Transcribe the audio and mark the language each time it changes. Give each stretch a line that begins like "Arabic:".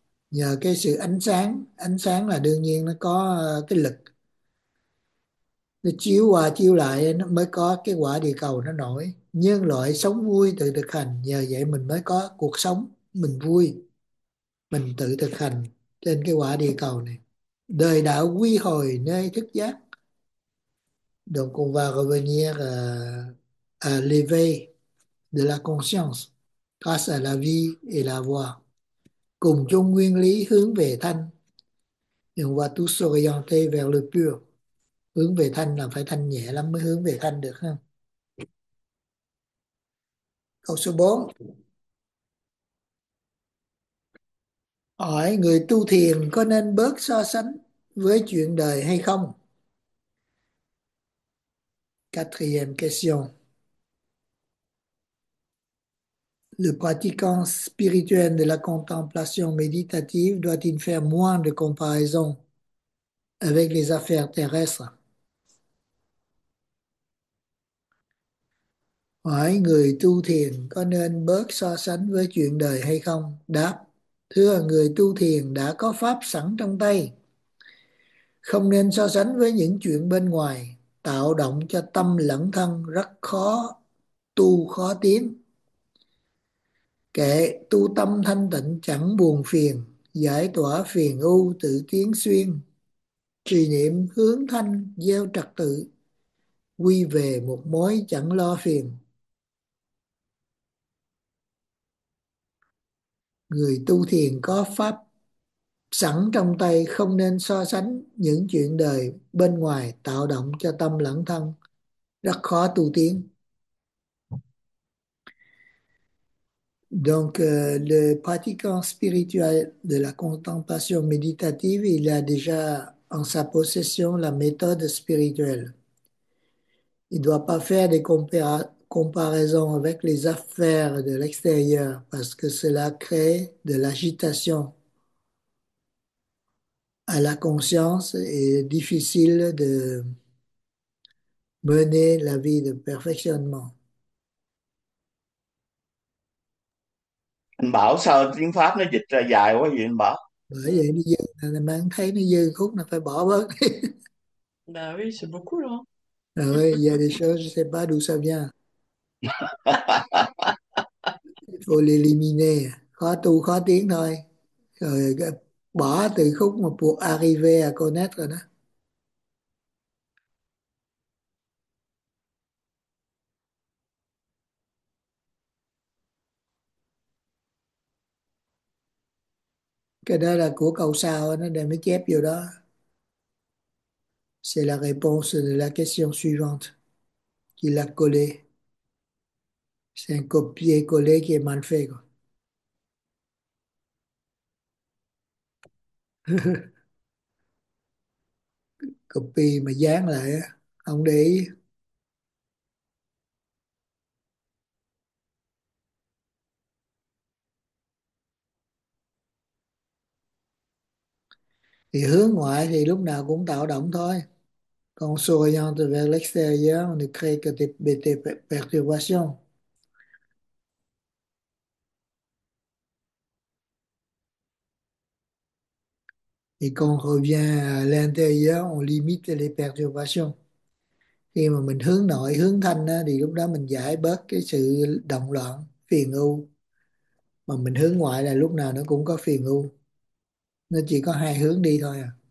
Vietnamese: Nhờ cái sự ánh sáng là đương nhiên nó có cái lực, nó chiếu qua chiếu lại nó mới có cái quả địa cầu nó nổi. Nhân loại sống vui tự thực hành, nhờ vậy mình mới có cuộc sống mình vui, mình tự thực hành trên cái quả địa cầu này. Đời đã quy hồi nơi thức giác.
French: Donc on va revenir à l'éveil de la conscience grâce à la vie et la voix.
Vietnamese: Cùng chung nguyên lý hướng về thanh.
French: Et on va tous s'orienter vers le pur.
Vietnamese: Hướng về thanh là phải thanh nhẹ lắm mới hướng về thanh được ha. Câu số 4. Hỏi người tu thiền có nên bớt so sánh với chuyện đời hay không?
French: Quatrième question. Le pratiquant spirituel de la contemplation méditative doit-il faire moins de comparaison avec les affaires terrestres?
Vietnamese: Hỏi người tu thiền có nên bớt so sánh với chuyện đời hay không? Đáp: Thưa người tu thiền đã có pháp sẵn trong tay, không nên so sánh với những chuyện bên ngoài. Tạo động cho tâm lẫn thân rất khó tu khó tiến. Kệ tu tâm thanh tịnh chẳng buồn phiền, giải tỏa phiền ưu tự tiến xuyên. Trì niệm hướng thanh gieo trật tự, quy về một mối chẳng lo phiền. Người tu thiền có pháp sẵn trong tay, không nên so sánh những chuyện đời bên ngoài tạo động cho tâm lẫn thân, rất khó tu tiến.
French: Le pratiquant spirituel de la contemplation méditative, il a déjà en sa possession la méthode spirituelle. Il ne doit pas faire des comparaisons avec les affaires de l'extérieur parce que cela crée de l'agitation à la conscience et est difficile de mener la vie de perfectionnement.
Vietnamese: Anh bảo sao tiếng Pháp nó dịch ra dài quá vậy anh bảo? Bởi vậy bây giờ là mang thấy nó dư khúc là phải bỏ bớt.
French: Bah oui,
Vietnamese: Rồi,
French: il y a des choses, je ne sais pas d'où ça vient. c'est beaucoup là. Faut l'éliminer.
Vietnamese: Khó tu, khó tiến thôi. Rồi bỏ từ khúc mà
French: pour arriver à connaître
Vietnamese: rồi đó. Cái đó là của câu sau, nó đem mới chép vô đó.
French: C'est la réponse de la question suivante qu'il a collé. C'est un copier-coller qui est mal fait, quoi.
Vietnamese: Copie mà dán lại, không để ý. Thì hướng ngoại thì lúc nào cũng tạo động thôi. Còn
French: souriant vers l'extérieur ne crée que des perturbations. Et quand on revient à l'intérieur, on limite les perturbations.
Vietnamese: Khi mà mình hướng nội, hướng thanh á, thì lúc đó mình giải bớt cái sự động loạn, phiền ưu. Mà mình hướng ngoại là lúc nào nó cũng có phiền ưu. Nó chỉ có hai hướng đi thôi à.